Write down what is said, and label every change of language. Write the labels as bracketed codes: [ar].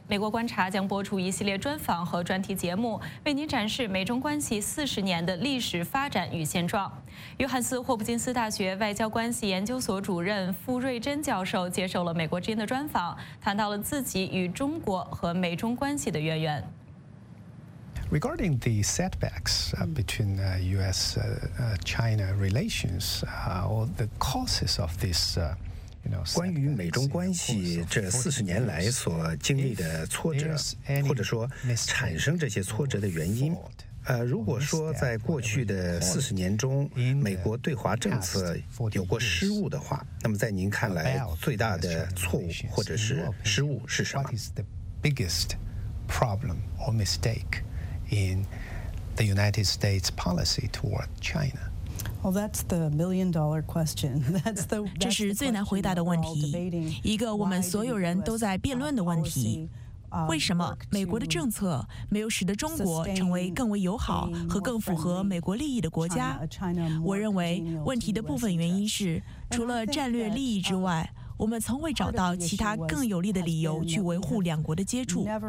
[zh] 美国观察将播出一系列专访和专题节目，为您展示美中关系40年的历史发展与现状。约翰斯霍普金斯大学外交关系研究所主任傅瑞珍教授接受了《美国之音》的专访，谈到了自己与中国和美中关系的渊源。 [en] Regarding the setbacks between U.S.-China relations, or the causes of this, you know, [zh] 关于美中关系这四十年来所经历的挫折，或者说产生这些挫折的原因，如果说在过去的四十年中，美国对华政策有过失误的话，那么在您看来最大的错误或者是失误是什么 [en] ？What is the biggest problem or mistake? In the United States policy toward China. Well, that's the million-dollar question. That's the [zh] 这是最难回答的问题，一个我们所有人都在辩论的问题。为什么美国的政策没有使得中国成为更为友好和更符合美国利益的国家？我认为问题的部分原因是，除了战略利益之外，我们从未找到其他更有利的理由去维护两国的接触。